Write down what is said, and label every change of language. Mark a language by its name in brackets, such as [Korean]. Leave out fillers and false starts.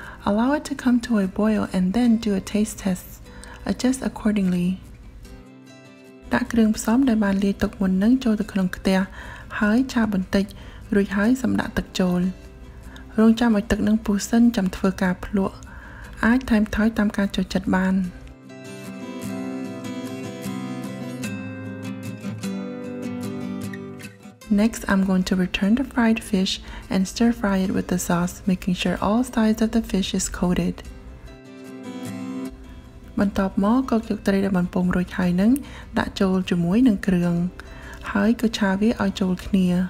[English] Allow it to come to a boil and then do a taste test. Adjust accordingly. [Khmer] ដាក់គ្រឿងផ្សំដែលបានលាយទុកមុននឹងចូលទៅក្នុងខ្ទះហើយឆាបន្តិចរួចហើយសម្ដាក់ទឹកចូលរងចាំឲ្យទឹកនឹងពុះសិនចាំធ្វើការភ្លក់អាចថែមថយតាមការចូលចិត្តបាន [English] Next, I'm going to return the fried fish and stir fry it with the sauce, making sure all sides of the fish is coated. [Khmer] បន្ទាប់មកក៏យកត្រីដែលបំពងរួចហើយនឹងដាក់ចូលជាមួយនឹងគ្រឿងហើយក៏ឆាវាឲ្យចូលគ្នា